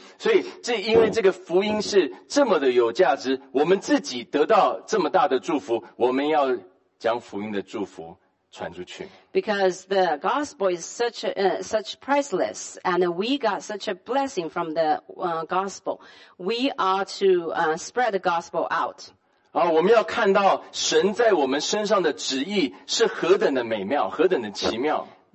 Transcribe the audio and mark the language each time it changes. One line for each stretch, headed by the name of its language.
Chinese: 所以这因为这个福音是这么的有价值，我们自己得到这么大的祝福，我们要将福音的祝福传出去。
English: Because the gospel is such priceless, and we got such a blessing from the gospel, we are to spread the gospel out.
Chinese: 我们要看到神在我们身上的旨意是何等的美妙，何等的奇妙。